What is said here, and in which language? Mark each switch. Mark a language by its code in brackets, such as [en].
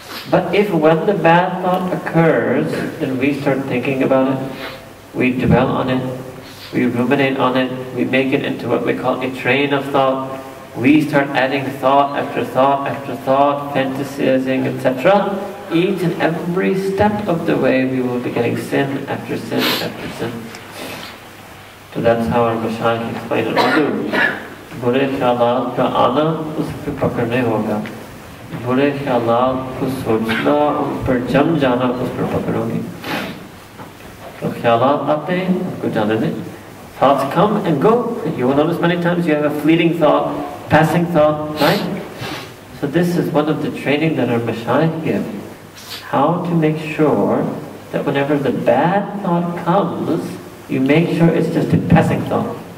[en] But if when the bad thought occurs, then we start thinking about it, we dwell on it, we ruminate on it, we make it into what we call a train of thought, we start adding thought after thought after thought, fantasizing, etc. Each and every step of the way, we will be getting sin after sin after sin. So that's how our Mashaykh explained it. [ur] برے خیالات کا آنا اس کے پکڑ میں ہوگا۔ برے خیالات کو سوچنا اور پر جم جانا اس پر پکڑ ہوگی۔ So خیالات آتے ہیں، آپ کو جانے دیں۔ [en] Thoughts come and go. You will notice many times you have a fleeting thought, passing thought, right? So this is one of the training that our Mashaykh give. How to make sure that whenever the bad thought comes, you make sure it's just a passing thought.